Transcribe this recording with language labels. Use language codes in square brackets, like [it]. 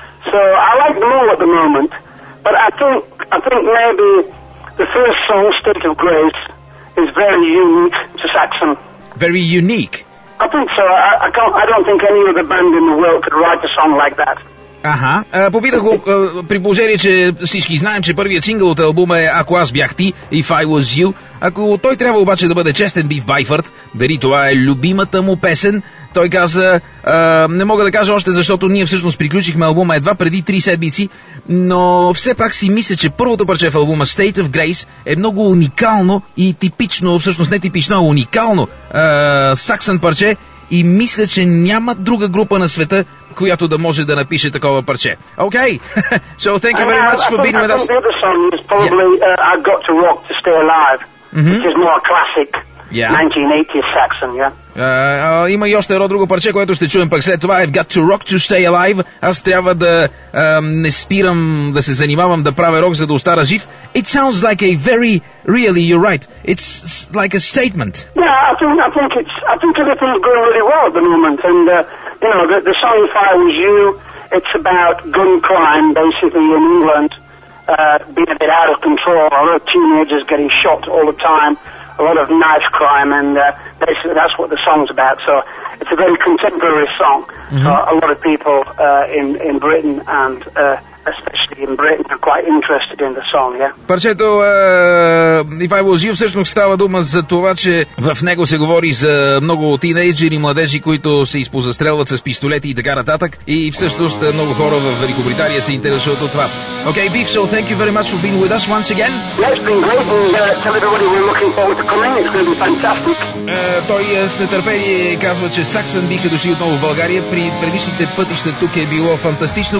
[en] So I like them all at the moment, but I think maybe the first song, State of Grace, is very unique to Saxon. Very unique? I think so. I don't think any other band in the world could write a song like that. Аха. [bg] Попитах го при положение, че всички знаем, че първият сингъл от албума е Ако аз бях ти, If I was you. Ако той трябва обаче да бъде честен, Бив Байфърт, дали това е любимата му песен, той каза, не мога да кажа още, защото ние всъщност приключихме албума едва преди 3 седмици, но все пак си мисля, че първото парче в албума State of Grace е много уникално и типично, всъщност не типично, а уникално саксън парче. И мисля, че няма друга група на света, която да може да напише такова парче. Окей. [en] So thank you very much for being with us. I think the other song is probably I've Got to Rock to Stay Alive, which is more classic 1980s Saxon, [bg] Има и още едно друго парче, което ще чуем пък след това. [en] I've Got to Rock to Stay Alive. [bg] Аз трябва да не спирам да се занимавам да правя рок, за да остара жив. [en] It sounds like a very, really, you're right. It's like a statement. Yeah, I think everything's going really well at the moment. And, you know, the song If I Was You, it's about gun crime, basically, in England, being a bit out of control. A lot of teenagers getting shot all the time. A lot of knife crime, and basically that's what the song's about. So it's a very contemporary song. Mm-hmm. So a lot of people in Britain, and especially in Britain, are quite interested in the song, yeah? [bg] Парчето If I Was You всъщност става дума за това, че в него се говори за много тинейджери, младежи, които се изпозастрелват с пистолети и така нататък. И всъщност много хора в Великобритания се интересуват от това. [en] Okay, Beef, so thank you very much for being with us once again. Yeah, it's been great, and tell everybody we're looking forward to coming. It's going to be fantastic. [bg] Той с нетърпение казва, че саксън биха дошли отново в България. При предишните пътища тук е било фантастично.